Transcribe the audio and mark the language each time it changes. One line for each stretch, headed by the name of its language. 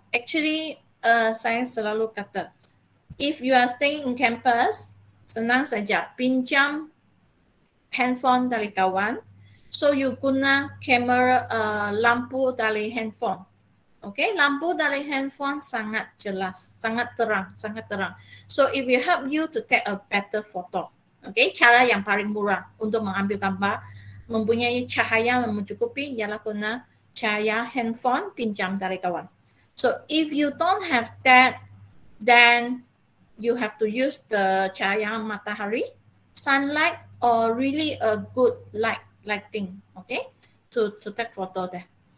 Malay: Actually, saya selalu kata, if you are staying in campus, senang saja pinjam handphone dari kawan. So you guna kamera lampu dari handphone. Okay, lampu dari handphone sangat jelas, sangat terang.
English: So it will help you to take a better photo.
Malay: Okay, cara yang paling murah untuk mengambil gambar mempunyai cahaya yang mencukupi ialah guna cahaya handphone pinjam dari kawan.
English: So if you don't have that, then you have to use the cahaya matahari, sunlight, or really a good lighting, okay, to take photo there.